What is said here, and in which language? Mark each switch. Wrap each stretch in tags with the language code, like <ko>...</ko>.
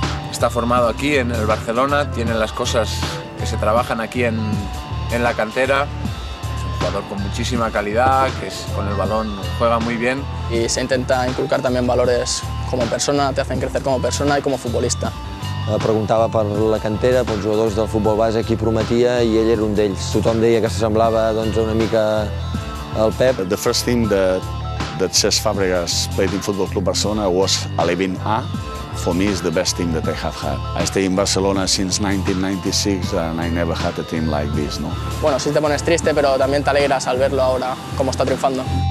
<es>Está formado aquí en el Barcelona, tiene las cosas que se trabajan aquí en la cantera. Es un jugador con muchísima calidad, que es, con el balón juega muy bien. Y se intenta inculcar también valores como persona, te hacen crecer como persona y como futbolista.</es> <ca>Preguntava per la cantera, pels jugadors del futbol base, qui prometia, i ell era un d'ells. Tothom deia que s'assemblava doncs, una mica al Pep.</ca> <en>The first thing that Cesc Fabregas played in Football Club Barcelona was 11A. For me, it's the best team that I have had. I stay in Barcelona since 1996 and I never had a team like this, no?</en> <es>Bueno, sí te pones triste, pero también te alegras al verlo ahora, como está triunfando.</es>